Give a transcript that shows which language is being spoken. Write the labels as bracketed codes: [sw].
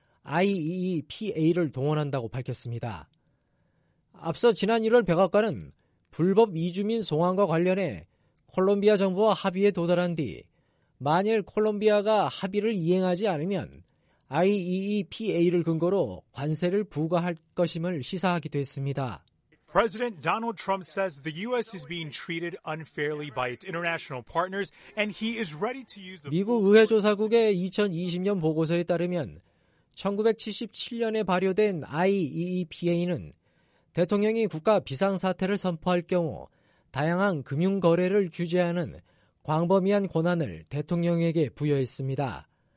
[ko] IEEPA를 동원한다고 밝혔습니다. 앞서 지난 1월 백악관은 불법 이주민 송환과 관련해 콜롬비아 정부와 합의에 도달한 뒤 만일 콜롬비아가 합의를 이행하지 않으면 IEEPA를 근거로 관세를 부과할 것임을 시사하기도 했습니다. [en] President Donald Trump says the U.S. is being treated unfairly by its international partners, and he is ready to use the [ko] 미국 의회 조사국의 2020년 보고서에 따르면 1977년에 발효된 IEEPA는 대통령이 국가 비상사태를 선포할 경우 다양한 금융거래를 규제하는 광범위한 권한을 대통령에게 부여했습니다.